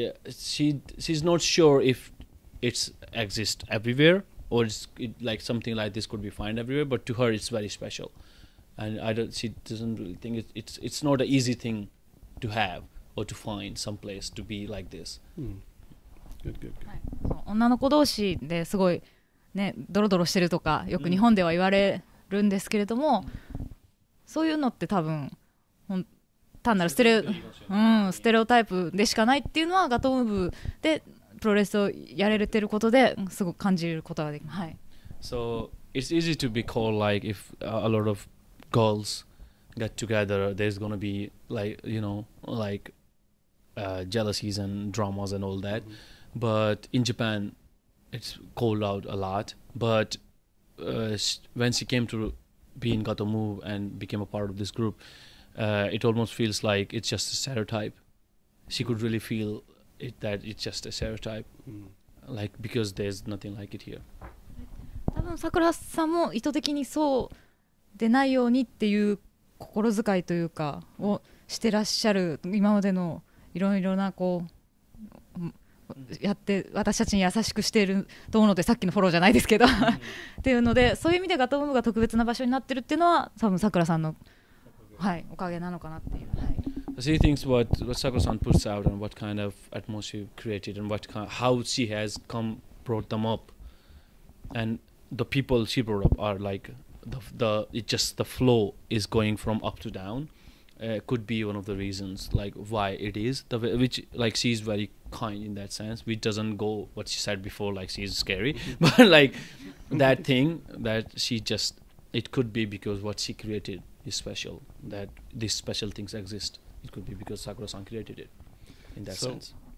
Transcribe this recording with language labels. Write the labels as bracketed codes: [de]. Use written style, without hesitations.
[en] She's not sure if it exists everywhere or it's like something like this could be found everywhere, but to her it's very special. And she doesn't really think it's not an easy thing to have or to find some place to be like this. Good. [ja] 女の子同士ですごいね、ドロドロしてるとかよく日本では言われるんですけれども、そういうのって多分単なるステレオタイプでしかないっていうのはガトムーブでプロレスをやれてることですごく感じることができます。はい。 [en] So it's easy to be called like if a lot of girls get together, there's gonna be like you know like jealousies and dramas and all that.、Mm-hmm. But in Japan, it's called out a lot. But when she came to be in Gatoh Move and became a part of this group, it almost feels like it's just a stereotype. She could really feel it, that it's just a stereotype, like because there's nothing like it here. [ja] 多分桜さんも意図的にそうでないようにっていう心遣いというかをしてらっしゃる今までのいろいろなこう。やって私たちに優しくしていると思うのでさっきのフォローじゃないですけどっていうのでそういう意味でガトムが特別な場所になってるっていうのは多分さくらさんの、はい、おかげなのかなっていう、はい、 [en] She thinks what Sakura-san puts out and what kind of atmosphere created and what kind, how she has come brought them up and the people she brought up are like the it just the flow is going from up to downcould be one of the reasons like why it is the way, which like she's very kind in that sense which doesn't go what she said before like she's scary but like that thing that she just it could be because what she created is special that these special things exist it could be because Sakura-san created it in that sense